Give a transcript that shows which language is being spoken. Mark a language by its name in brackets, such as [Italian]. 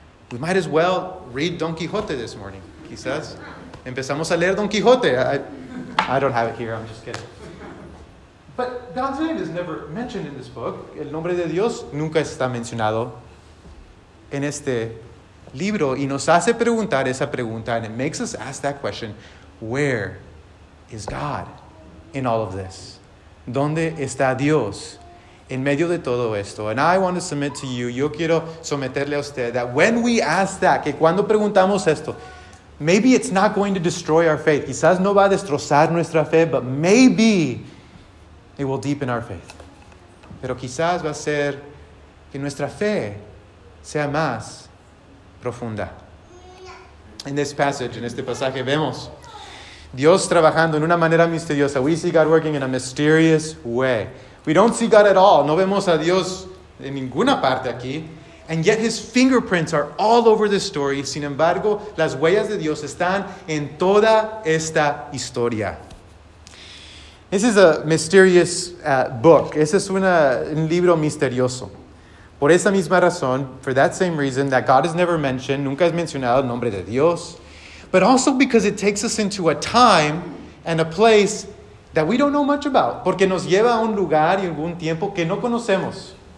[English] We might as well read Don Quixote this morning, quizás. [Spanish] Empezamos a leer Don Quixote. [English] I don't have it here, I'm just kidding. But God's name is never mentioned in this book. [Spanish] El nombre de Dios nunca está mencionado en este libro. Y nos hace preguntar esa pregunta, [English] and it makes us ask that question, where is God in all of this? [Spanish] ¿Dónde está Dios en medio de todo esto? [English] And I want to submit to you, [Spanish] yo quiero someterle a usted, [English] that when we ask that, [Spanish] que cuando preguntamos esto, [English] maybe it's not going to destroy our faith. [Spanish] Quizás no va a destrozar nuestra fe, [English] but maybe it will deepen our faith. [Spanish] Pero quizás va a ser que nuestra fe sea más profunda. [English] In this passage, [Spanish] in este pasaje, vemos Dios trabajando en una manera misteriosa. [English] We see God working in a mysterious way. We don't see God at all. [Spanish] No vemos a Dios en ninguna parte aquí. [English] And yet his fingerprints are all over the story. [Spanish] Sin embargo, las huellas de Dios están en toda esta historia. [English] This is a mysterious book. [Spanish] Ese es un libro misterioso. Por esa misma razón, [English] for that same reason, that God is never mentioned, [Spanish] nunca es mencionado el nombre de Dios. [English] But also because it takes us into a time and a place that we don't know much about. [Spanish] Porque nos lleva a un lugar y algún tiempo que no conocemos.